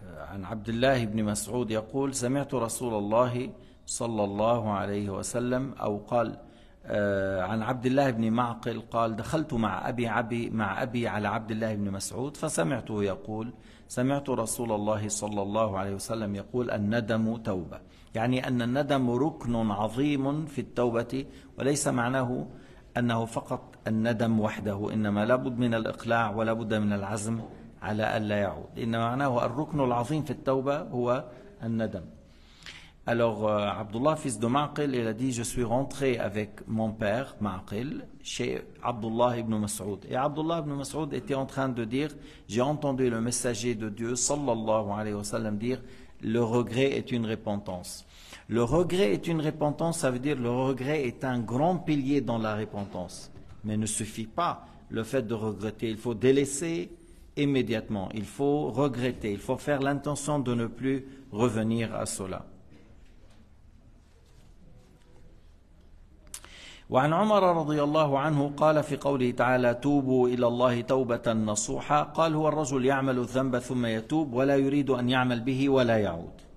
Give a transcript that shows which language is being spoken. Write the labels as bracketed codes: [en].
[ar] عن عبد الله بن مسعود يقول: سمعت رسول الله صلى الله عليه وسلم، أو قال عن عبد الله بن معقل قال: دخلت مع أبي على عبد الله بن مسعود فسمعته يقول: سمعت رسول الله صلى الله عليه وسلم يقول: الندم توبة. يعني أن الندم ركن عظيم في التوبة، وليس معناه أنه فقط الندم وحده، إنما لابد من الإقلاع ولابد من العزم على ألا يعود. إنما معناه الركن العظيم في التوبة هو الندم. [fr] Alors Abdullah fils de Maqil, il a dit: je suis rentré avec mon père Maqil chez Abdullah ibn Mas'ud. Et Abdullah ibn Mas'ud était en train de dire: j'ai entendu le messager de Dieu sallallahu alayhi wa sallam dire: le regret est une repentance. Le regret est une repentance, ça veut dire le regret est un grand pilier dans la repentance. Mais ne suffit pas le fait de regretter, il faut délaisser immédiatement, il faut regretter, il faut faire l'intention de ne plus revenir à cela. [ar] وعن عمر رضي الله عنه قال في قوله تعالى: توبوا إلى الله توبة نصوحة، قال: هو الرجل يعمل الذنب ثم يتوب ولا يريد أن يعمل به ولا يعود.